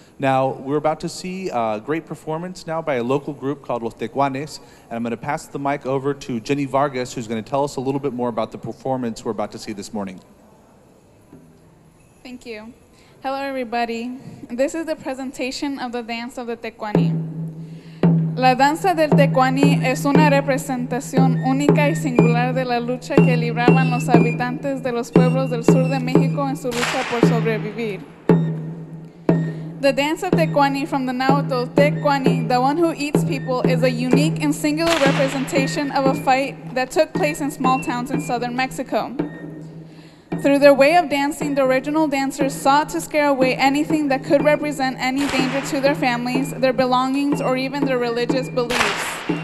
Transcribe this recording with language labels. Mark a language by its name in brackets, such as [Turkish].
[English] Now, we're about to see a great performance now by a local group called Los Tecuanes, and I'm going to pass the mic over to Jenny Vargas, who's going to tell us a little bit more about the performance we're about to see this morning. Thank you. Hello, everybody. This is the presentation of the Dance of the Tecuani. [Spanish] La Danza del Tecuani es una representación única y singular de la lucha que libraban los habitantes de los pueblos del sur de México en su lucha por sobrevivir. [English] The Dance of Tecuani from the Nahuatl, Tecuani, the one who eats people, is a unique and singular representation of a fight that took place in small towns in southern Mexico. Through their way of dancing, the original dancers sought to scare away anything that could represent any danger to their families, their belongings, or even their religious beliefs.